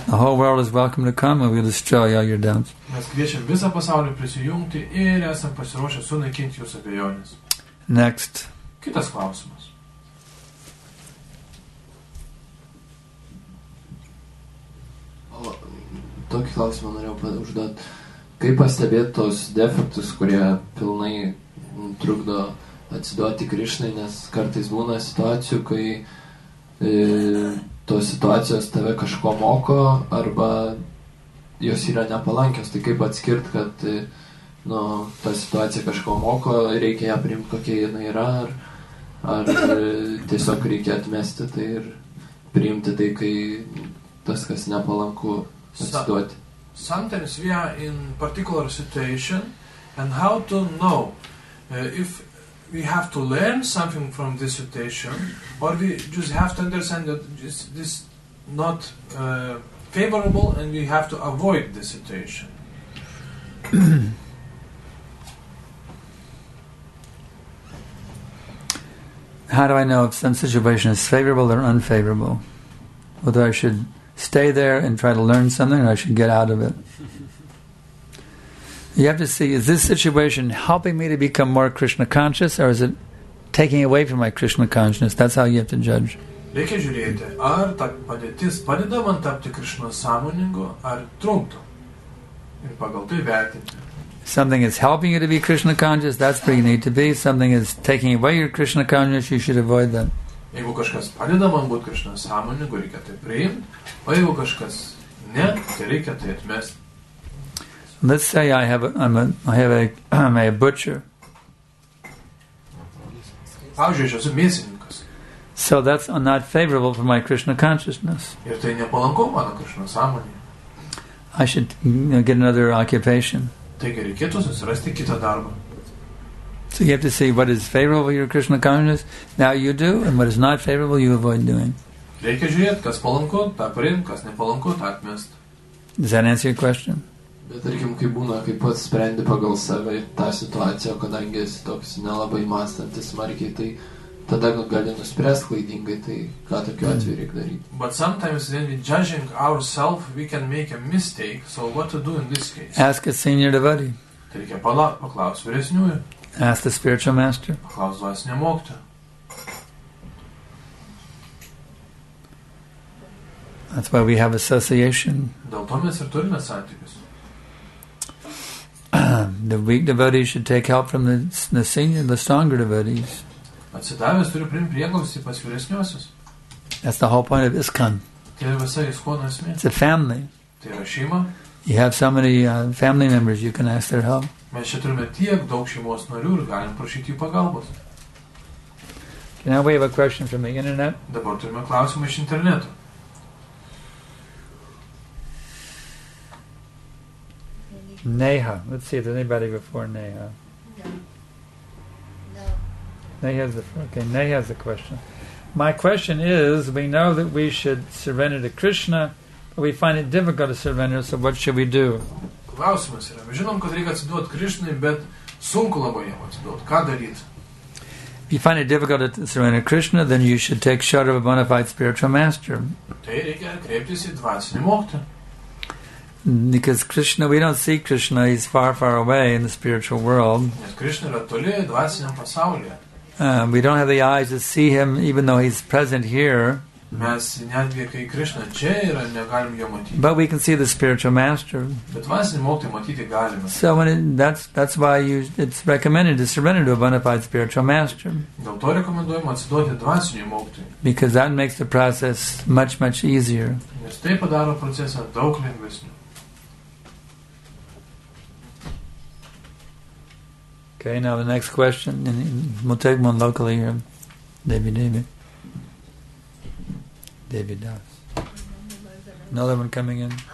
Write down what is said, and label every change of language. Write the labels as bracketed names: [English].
[English] The whole world is welcome to come and we'll destroy all your doubts. [Lithuanian] Mes kviečiam visą pasaulį prisijungti ir esam pasiruošę sunaikinti jūsų abejonės. [English] Next. [Lithuanian] Kitas klausimas. Tokį klausimą norėjau užduoti. Kaip pastebėti tos defektus, kurie pilnai trukdo atsiduoti Krišnai, nes kartais būna situacijų, kai tos situacijos tave kažko moko, arba jos yra nepalankios. Tai kaip atskirti, kad nu, ta situacija kažko moko ir reikia ją priimti, kokia jinai yra, ar tiesiog reikia atmesti tai ir priimti tai, kai tas, kas nepalanku atsiduoti. [English] Sometimes we are in particular situation and how to know if we have to learn something from this situation or we just have to understand that this is not favorable and we have to avoid this situation. How do I know if some situation is favorable or unfavorable? Whether I should stay there and try to learn something, or I should get out of it. You have to see, is this situation helping me to become more Krishna conscious, or is it taking away from my Krishna consciousness? That's how you have to judge. [Lithuanian] Reikia žiūrėti, ar ta padėtis padeda man tapti Krishna sąmoningu, ar trukdo. Ir pagal tai vertinti. [English] Something is helping you to be Krishna conscious, that's where you need to be. Something is taking away your Krishna consciousness, you should avoid that. [Lithuanian] Jeigu kažkas padeda man būti Krishna sąmoningu, reikia tai priimti. O jeigu kažkas ne, tai reikia tai atmesti. [English] Let's say I'm a butcher. [Lithuanian] Pavyzdžiui, aš esu mėsininkas. [English] So that's not favorable for my Krishna consciousness. [Lithuanian] Ir tai nepalanku mano Krishna sąmonė. [English] I should get another occupation. [Lithuanian] Taigi reikėtų susirasti kitą darbą. [English] So you have to see what is favorable for your Krishna consciousness. Now you do, and what is not favorable, you avoid doing. [Lithuanian] Reikia žiūrėti, kas palanku, tą priim, kas nepalanku, tą atmest. [English] Does that answer your question? [Lithuanian] Bet tarkim, kaip būna, kaip pats sprendi pagal save tą situaciją, kadangi esi toks nelabai mąstantis smarkiai, tai tada gali nuspręsti klaidingai, tai ką tokiu atveju reikia daryti. [English] But sometimes when we judging ourselves, we can make a mistake, so what to do in this case? Ask a senior devotee. [Lithuanian] Tai reikia paklaus vyresniųjų. [English] Ask the spiritual master. [Lithuanian] Paklaus dvasinio mokytojo. [English] That's why we have association. [Lithuanian] Dėl to mes ir turime santykius. [English] The weak devotees should take help from the senior, the stronger devotees. [Lithuanian] Atsidavęs turi priimti prieglausį pas vyresniuosius. [English] That's the whole point of ISKCON. [Lithuanian] Tai yra visa ISKCON esmė. [English] It's a family. [Lithuanian] Tai yra šeima. [English] You have so many family members, you can ask their help. [Lithuanian] Mes čia turime tiek daug šeimos narių ir galim prašyti jų pagalbos. [English] Okay, now we have a question from the internet. [Lithuanian] Dabar turime klausimą iš interneto. [English] Neha. Let's see, is there anybody before Neha? No. Neha has a, okay, Neha has a question. My question is, we know that we should surrender to Krishna, but we find it difficult to surrender, so what should we do? [Lithuanian] Klausimas yra, mes žinom, kad reikia atsiduoti Krishnai, bet sunku labai jam atsiduoti. Ką daryti? [English] If you find it difficult to surrender to Krishna, then you should take shelter of a bona fide spiritual master. [Lithuanian] Tai reikia kreiptis į dvasinį mokytoją. [English] Because Krishna, we don't see Krishna, he's far, far away in the spiritual world. [Lithuanian] Krishna yra toli dvasiniam pasaulyje. [English] We don't have the eyes to see him, even though he's present here. [Lithuanian] Mes netgi, kai Krishna čia yra, negalim jo matyti. [English] But we can see the spiritual master. [Lithuanian] Bet dvasinį mokytoją matyti galime. [English] So when that's why it's recommended to surrender to a bona fide spiritual master. [Lithuanian] Dėl to rekomenduojama atsiduoti dvasiniam mokytojui. [English] Because that makes the process much, much easier. [Lithuanian] Nes tai padaro procesą daug lengvesnį. [English] Okay, now the next question, and we'll take one locally here. David. David Das. Another one coming in.